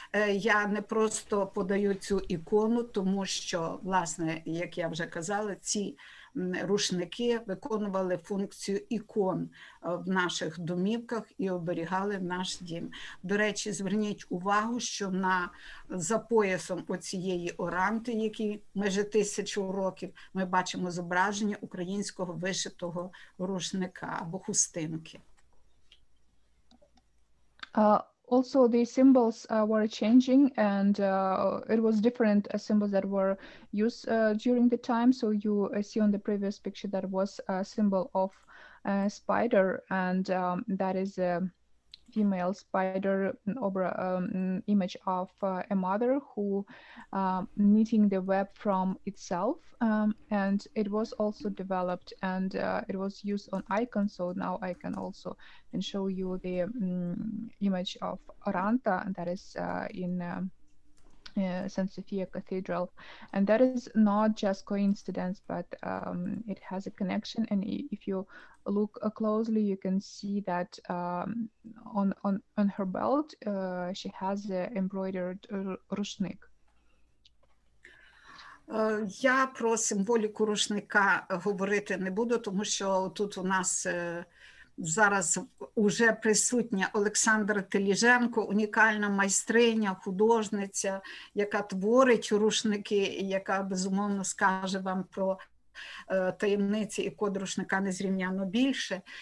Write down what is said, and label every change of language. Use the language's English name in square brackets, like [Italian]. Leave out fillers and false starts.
[Ukrainian] Я не просто подаю цю ікону, тому що, власне, як я вже казала, ці рушники виконували функцію ікон в наших домівках і оберігали наш дім. До речі, зверніть увагу, що на за поясом оцієї Оранти, який майже тисячу років, ми бачимо зображення українського вишитого рушника або хустинки. [English] Also, the symbols were changing, and it was different symbols that were used during the time. So you see on the previous picture that was a symbol of a spider, and that is a female spider image of a mother who knitting the web from itself. And it was also developed, and it was used on icons. So now I can also and show you the image of Oranta, and that is in St. Sophia Cathedral. And that is not just coincidence, but it has a connection. And if you look closely, you can see that on her belt, she has an embroidered rushnik. [Ukrainian] Я про символіку рушника говорити не буду, тому що тут у нас зараз уже присутня Олександра Теліженко, унікальна майстриня, художниця, яка творить рушники, яка безумовно скаже вам про таємниці і код рушника незрівняно більше.